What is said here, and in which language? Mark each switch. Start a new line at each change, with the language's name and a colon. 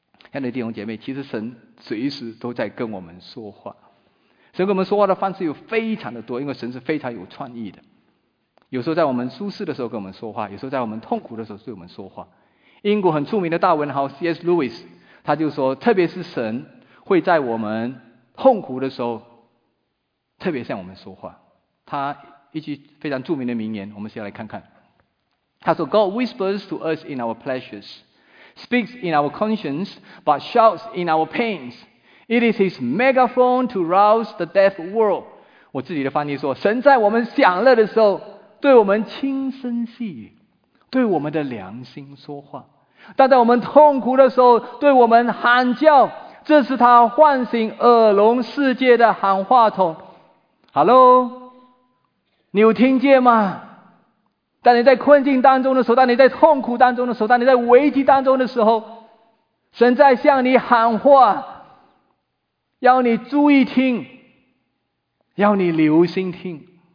Chinese: 亲爱的弟兄姐妹，其实神随时都在跟我们说话，神跟我们说话的方式有非常的多，因为神是非常有创意的，有时候在我们舒适的时候跟我们说话，有时候在我们痛苦的时候对我们说话。英国很著名的大文豪 C.S. Lewis 他就说，特别是神会在我们痛苦的时候特别向我们说话。他一句非常著名的名言，我们先来看看。
English: 他说 God whispers to us in our pleasures, speaks in our conscience, but shouts in our pains. It is his megaphone to rouse the deaf world.
Chinese: 我自己的翻译说，神在我们享乐的时候对我们轻声细语，对我们的良心说话，但在我们痛苦的时候对我们喊叫，这是他唤醒耳聋世界的喊话筒。 Hello， 你有听见吗？当你在困境当中的时候，当你在痛苦当中的时候，当你在危机当中的时候，神在向你喊话，要你注意听，要你留心听。